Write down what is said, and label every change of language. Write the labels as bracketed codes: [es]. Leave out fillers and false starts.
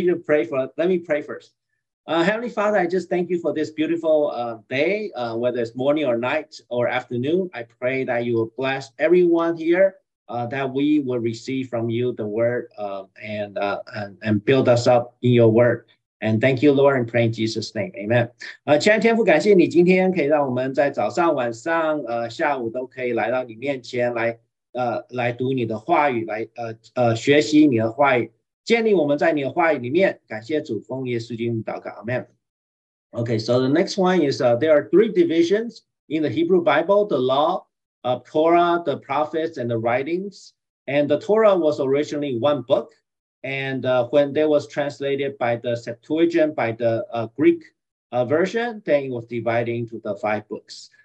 [en] Let me pray first. Heavenly Father, I just thank you for this beautiful day, whether it's morning or night or afternoon. I pray that you will bless everyone here, that we will receive from you the word and build us up in your word. And thank you, Lord, and pray in Jesus' name. Amen. [zh] 亲爱的天父，感谢你今天可以让我们在早上、晚上、下午都可以来到你面前来读你的话语，来学习你的话语。建立我们在你的话语里面，感谢主，奉耶稣基督祷告， Amen. [en] Okay, so the next one is there are three divisions in the Hebrew Bible: the Law, Torah, the Prophets, and the Writings. And the Torah was originally one book, and when that was translated by the Septuagint, by the Greek version, then it was divided into the five books.